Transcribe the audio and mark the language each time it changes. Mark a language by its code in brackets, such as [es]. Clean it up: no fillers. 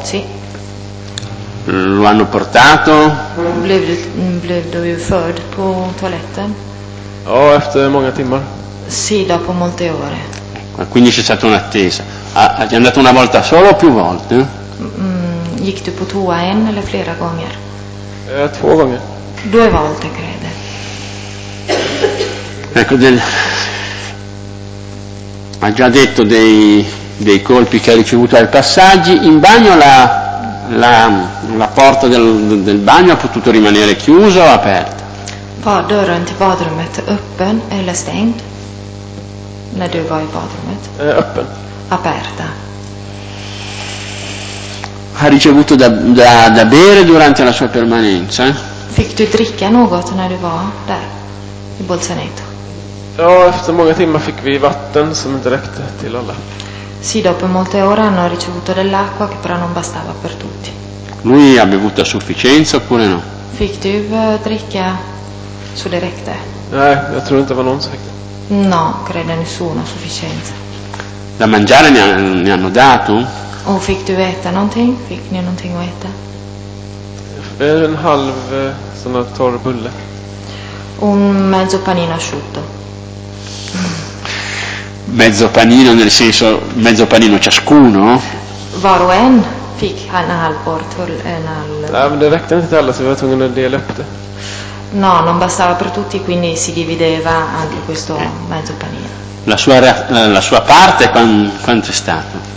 [it] Sì. Lo hanno portato? [sv] Blev dove ford på toaletten. Oh, efter många timmar? [it] Sì, dopo molte ore. Ecco, quindi c'è stata un'attesa. È andato una volta solo o più volte? [sv] Gick du på toa en eller flera gånger? Två gånger. [it] Due volte, crede. Ecco, ha già detto dei colpi che ha ricevuto ai passaggi. In bagno la porta del bagno ha potuto rimanere chiusa o aperta? [sv] Var dörren till badrummet öppen eller stängd? När du var i badrummet? Öppen. [it] Aperta. Ha ricevuto da bere durante la sua permanenza? [sv] Fick du dricka något när du var där i Bolzaneto? Ja, efter många timmar fick vi vatten som inte räckte till alla. [it] Sì, dopo molte ore hanno ricevuto dell'acqua che però non bastava per tutti. Lui ha bevuto a sufficienza oppure no? [sv] Fick du dricka så det räckte? Nej, jag tror inte det var någon som fick det. [it] No, credo nessuno a sufficienza. Da mangiare ne hanno dato? [sv] O fick du äta någonting? Fick ni någonting att äta? En halv sån här torr bulle. [it] Un mezzo panino asciutto. Mezzo panino nel senso mezzo panino ciascuno? [sv] Var och en fick en halv bort en halv. Nej, men det räckte inte till alla så vi var tvungna att dela upp det. [it] No, non bastava per tutti, quindi si divideva anche questo mezzo panino. La sua parte quanto è stato?